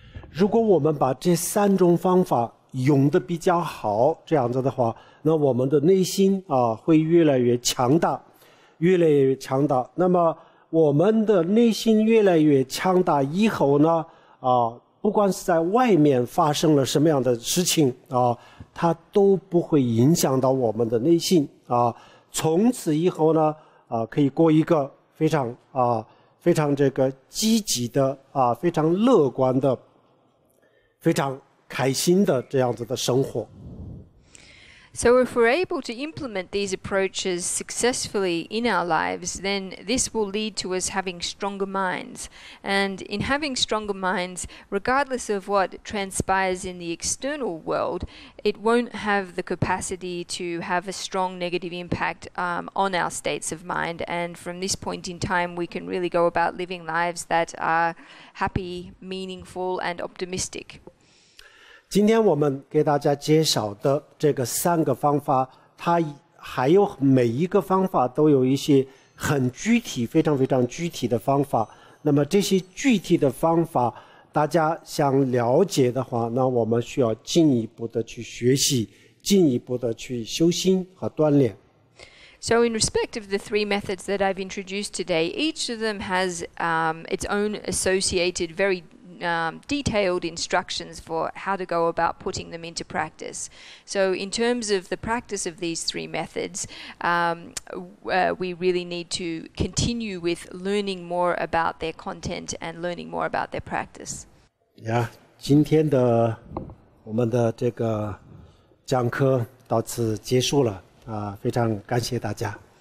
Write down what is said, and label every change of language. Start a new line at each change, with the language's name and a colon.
Chinese: 如果我们把这三种方法用得比较好这样子的话那我们的内心啊会越来越强大越来越强大那么我们的内心越来越强大以后呢啊不管是在外面发生了什么样的事情啊它都不会影响到我们的内心啊从此以后呢啊可以过一个非常啊非常这个积极的啊非常乐观的非常开心的这样子的生活。
English: So if we're able to implement these approaches successfully in our lives, then this will lead to us having stronger minds. And in having stronger minds, regardless of what transpires in the external world, it won't have the capacity to have a strong negative impact on our states of mind. And from this point in time, we can really go about living lives that are happy, meaningful, and optimistic.
Chinese: 今天我们给大家介绍的这个三个方法它还有每一个方法都有一些很具体非常非常具体的方法那么这些具体的方法大家想了解的话那我们需要进一步的去学习进一步的去修心和锻炼
English: So in respect of the three methods that I've introduced today each of them has its own associated very detailed instructions for how to go about putting them into practice. So in terms of the practice of these three methods, we really need to continue with learning more about their content and learning more about their practice.
Chinese: Yeah, 今天的我们的这个讲课到此结束了、非常感谢大家。